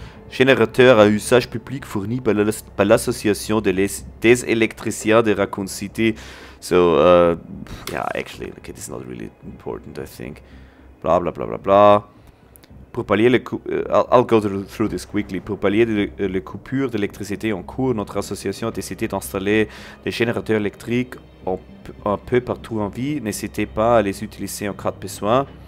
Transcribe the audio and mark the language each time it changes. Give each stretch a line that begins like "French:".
French: Générateur à usage public fourni par l'association des électriciens de Raccoon City.
English: So, yeah, actually, okay, this is not really important, I think. Blah, blah, blah, blah, blah.
French: Pour pallier le
English: I'll go through this quickly.
French: Pour pallier les coupures d'électricité en cours, notre association a décidé d'installer des générateurs électriques un peu partout en ville. N'hésitez pas à les utiliser en cas de besoin.